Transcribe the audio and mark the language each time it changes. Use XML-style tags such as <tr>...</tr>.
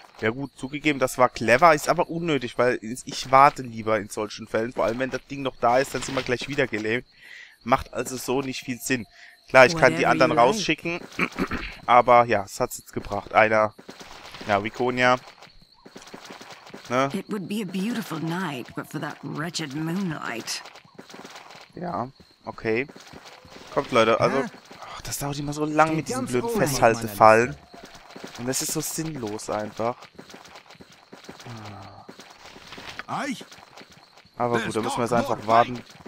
<de>Ja gut, zugegeben, das war clever, ist aber unnötig, weil ich warte lieber in solchen Fällen, vor allem wenn das Ding noch da ist, dann sind wir gleich wieder gelähmt, macht also so nicht viel Sinn. Klar, ich kann die anderen rausschicken, aber ja, es hat's jetzt gebracht, einer, ja, Vikonia. Ne?</de> <en>It would be a beautiful night, but for that wretched moonlight.</en> <de>Ja, okay. Kommt, Leute, also... Ach, das dauert immer so lang mit diesen blöden Festhaltefallen. Und das ist so sinnlos einfach. Aber gut, da müssen wir jetzt einfach warten.</de>